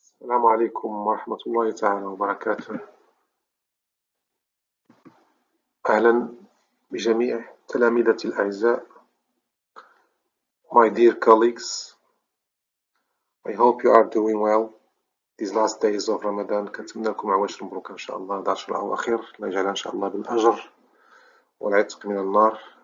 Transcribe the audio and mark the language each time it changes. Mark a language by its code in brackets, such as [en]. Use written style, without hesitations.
[ar] السلام عليكم ورحمة الله تعالى وبركاته. أهلا بجميع تلامذتي الأعزاء. [en] My dear colleagues, I hope you are doing well these last days of Ramadan. [ar] كنتمنى لكم عواشر مبروكة إن شاء الله، 11 شهر أواخر، الله يجعلها إن شاء الله بالأجر والعتق من النار.